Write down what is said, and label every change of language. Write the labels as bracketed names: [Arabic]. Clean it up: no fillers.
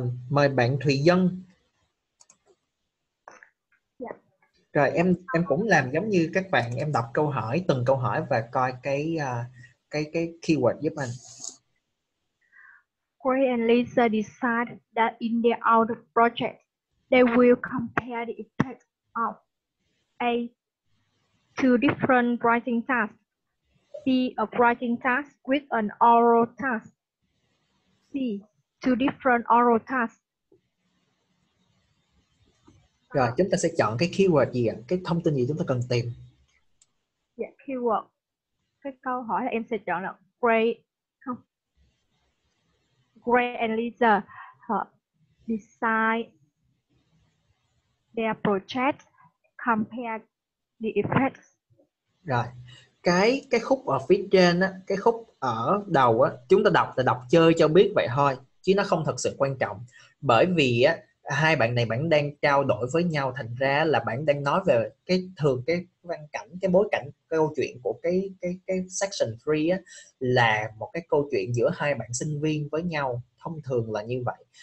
[Vietnamese] Mời bạn Thùy Dân. Rồi em cũng làm giống như các bạn, em đọc câu hỏi, từng câu hỏi và coi cái keyword giúp anh. [English] Corey and Lisa decide that in their other project they will compare the effect of A, two different writing tasks, B, a writing task with an oral task, C, two different oral tasks. [Vietnamese] Rồi, chúng ta sẽ chọn cái keyword gì ạ? Cái thông tin gì chúng ta cần tìm? [English] Yeah, keyword. [Vietnamese] Cái câu hỏi là em sẽ chọn là Gray, không? [English] Gray and Lisa, decide their project, compare the effects. [Vietnamese] Rồi, cái khúc ở phía trên á, cái khúc ở đầu á, chúng ta đọc là đọc chơi cho biết vậy thôi, chứ nó không thật sự quan trọng. Bởi vì á, hai bạn này bạn đang trao đổi với nhau, thành ra là bạn đang nói về cái thường cái văn cảnh, cái bối cảnh câu chuyện của cái section 3 á, là một cái câu chuyện giữa hai bạn sinh viên với nhau, thông thường là như vậy.